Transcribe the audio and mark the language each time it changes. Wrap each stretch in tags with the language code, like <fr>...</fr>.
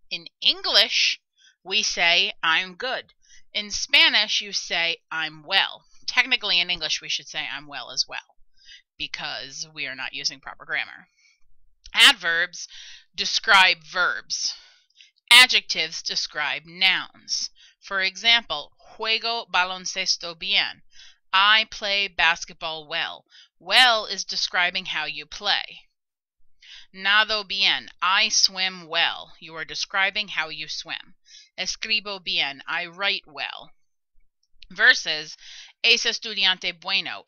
<en>In English, we say, I'm good. In Spanish, you say, I'm well. Technically, in English, we should say, I'm well as well, because we are not using proper grammar. Adverbs describe verbs. Adjectives describe nouns. For example,</en> <es>juego baloncesto bien.</es> <en>I play basketball well. Well is describing how you play.</en> <es>Nado bien.</es> <en>I swim well. You are describing how you swim.</en> <es>Escribo bien.</es> <en>I write well. Versus,</en> <es>es estudiante bueno.</es>